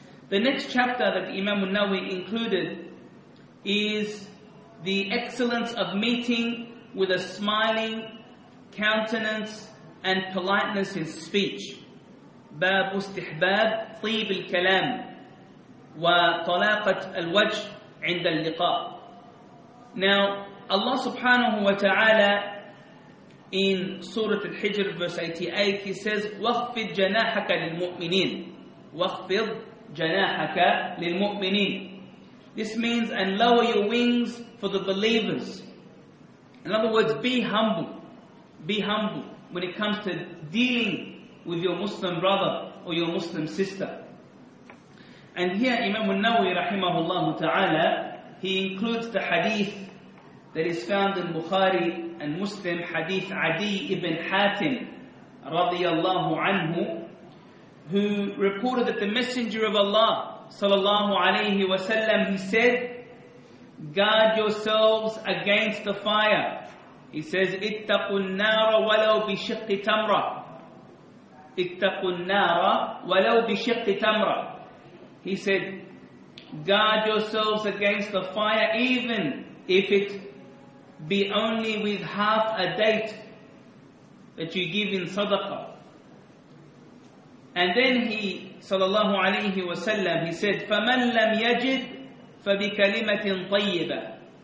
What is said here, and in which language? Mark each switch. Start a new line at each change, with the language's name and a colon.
English: The next chapter that Imam al-Nawawi included is the excellence of meeting with a smiling countenance and politeness in speech.
Arabic: باب استحباب طيب الكلام وطلاقة الوجه عند اللقاء.
English: Now, Allah subhanahu wa ta'ala in Surah Al-Hijr verse 88, He says,
Arabic: وَخْفِضْ جَنَاحَكَ لِلْمُؤْمِنِينَ وَخْفِضْ جَنَاحَكَ لِلْمُؤْمِنِينَ.
English: This means, and lower your wings for the believers. In other words, be humble. Be humble when it comes to dealing with your Muslim brother or your Muslim sister. And here Imam al-Nawawi rahimahullah ta'ala, he includes the hadith that is found in Bukhari and Muslim, hadith Adi ibn Hatim radiyallahu anhu, who reported that the Messenger of Allah sallallahu alayhi wa sallam, he said, guard yourselves against the fire. He says,
Arabic: اتقوا النار ولو بشق تمرة. اتقوا النار ولو بشق تمرة.
English: He said, guard yourselves against the fire, even if it be only with half a date that you give in sadaqah. And then he, sallallahu alayhi wa sallam, he said,
Arabic: فَمَنْ لَمْ يَجِدْ فَبِكَلِمَةٍ طَيِّبًا.